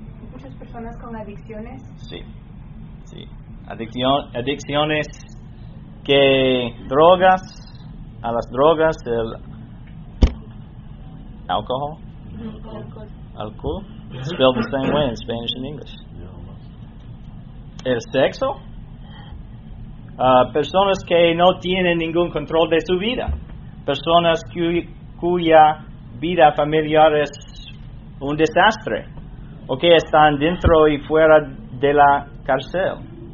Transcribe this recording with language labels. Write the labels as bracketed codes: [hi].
[es] Muchas personas con adicciones. Sí, sí. Adicciones que drogas, a las drogas, el alcohol. Alcohol. [en] Spelled the same way in Spanish and English. [es] El sexo. Personas que no tienen ningún control de su vida. Personas cuya vida familiar es un desastre. O que están dentro y fuera de la cárcel.